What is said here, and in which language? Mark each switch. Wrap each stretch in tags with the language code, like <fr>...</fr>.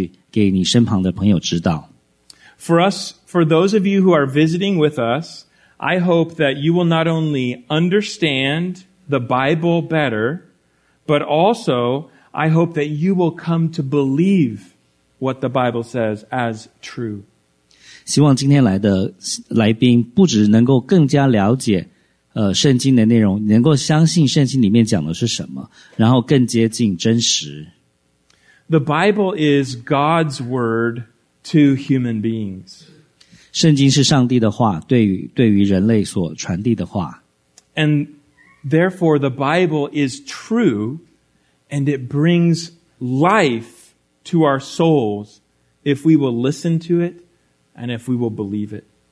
<zh>我们希望是不只是让你能更了解，也希望让你们能够把这些讯息传递下去，给你身旁的朋友知道。</zh> <en>For us, for those of you who are visiting with us, I hope that you will not only understand the Bible better, but also I hope that you will come to believe what the Bible says as true.</en> <zh>希望今天来的来宾不只能够更加了解圣经的内容，能够相信圣经里面讲的是什么，然后更接近真实。</zh> <en>The Bible is God's word to human beings.</en> <zh>圣经是上帝的话，对于人类所传递的话。</zh> <en>And therefore the Bible is true. And it brings life to our souls if we will listen to it and if we will believe it.</en>